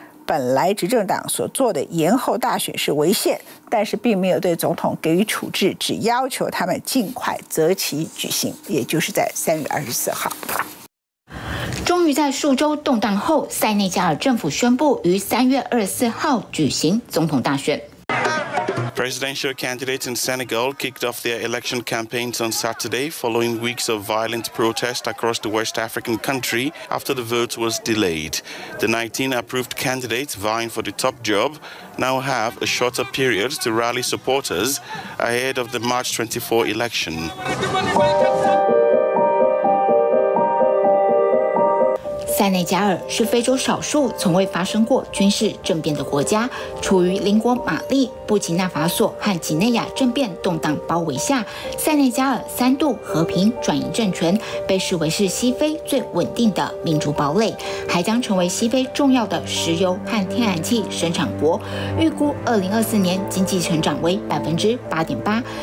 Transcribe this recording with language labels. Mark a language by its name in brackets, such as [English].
[Chinese] 本来执政党所做的延后大选是违宪，但是并没有对总统给予处置，只要求他们尽快择期举行，也就是在3月24号。终于在数周动荡后，塞内加尔政府宣布于3月24号举行总统大选。 [English] Presidential candidates in Senegal kicked off their election campaigns on Saturday following weeks of violent protest across the West African country after the vote was delayed. The 19 approved candidates vying for the top job now have a shorter period to rally supporters ahead of the March 24 election. [Chinese] Senegal 是非洲少数从未发生过军事政变的国家，处于邻国马利、布吉纳法索和几内亚政变动荡包围下，Senegal 三度和平转移政权，被视为是西非最稳定的民主堡垒，还将成为西非重要的石油和天然气生产国，预估2024年经济成长为 8.8%。